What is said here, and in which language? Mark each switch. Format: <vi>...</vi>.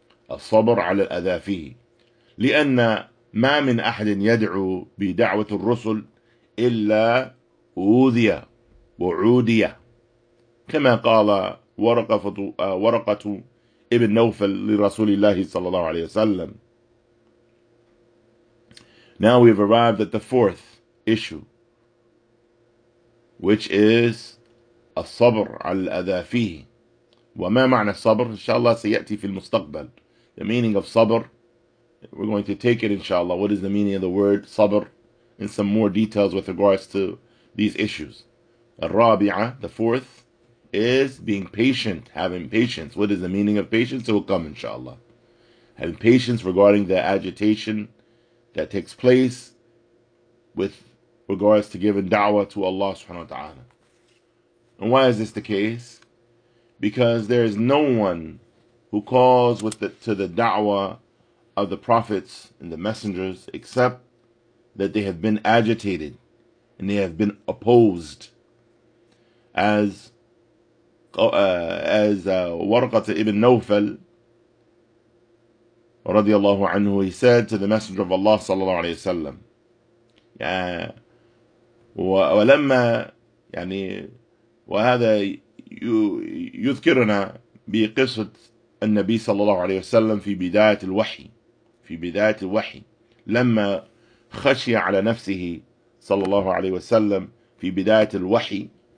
<ar>الصبر على الأذى فيه، لأن ما من أحد يدعو بدعوة الرسل إلا أوذي وعودي، كما قال ورقة ابن نوفل لرسول الله صلى الله عليه وسلم.</ar> <en>Now we've arrived at the fourth issue, which is</en> <ar>الصبر على الأذى فيه. وما معنى الصبر؟ إن شاء الله سيأتي في المستقبل.</ar> <en>The meaning of صبر, we're going to take it inshallah. What is the meaning of the word صبر in some more details with regards to these issues.</en> <ar>الرابعة,</ar> <en>the fourth, is being patient, having patience. What is the meaning of patience? It will come inshallah. Having patience regarding the agitation that takes place with regards to giving da'wah to Allah subhanahu wa ta'ala. And why is this the case? Because there is no one who calls to the da'wah of the prophets and the messengers except that they have been agitated and they have been opposed. As Warqat ibn Nawfal</en> <ar>رضي الله عنه,</ar> <en>he said to the Messenger of Allah</en> <ar>صلى الله عليه وسلم, ولما يعني وهذا يذكرنا بقصة النبي صلى الله عليه وسلم في بداية الوحي, في بداية الوحي لما خشي على نفسه صلى الله عليه وسلم في بداية الوحي,</ar>